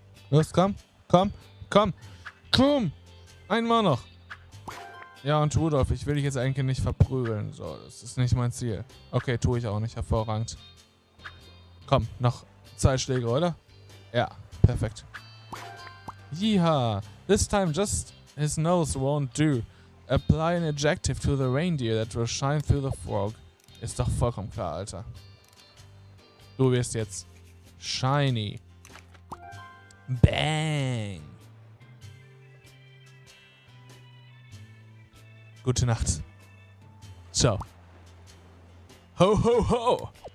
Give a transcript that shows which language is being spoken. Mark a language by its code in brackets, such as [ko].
[de] Los, komm. Komm. Komm. Komm. Einmal noch. Ja, und Rudolf, ich will dich jetzt eigentlich nicht verprügeln. So, das ist nicht mein Ziel. Okay, tue ich auch nicht. Hervorragend. Komm, noch zwei Schläge, oder? Ja, perfekt. Yeeha! [en] This time just his nose won't do. Apply an adjective to the reindeer that will shine through the fog. [de] Ist doch vollkommen klar, Alter. Du wirst jetzt shiny. Bang! Gute Nacht. So. Ho ho ho!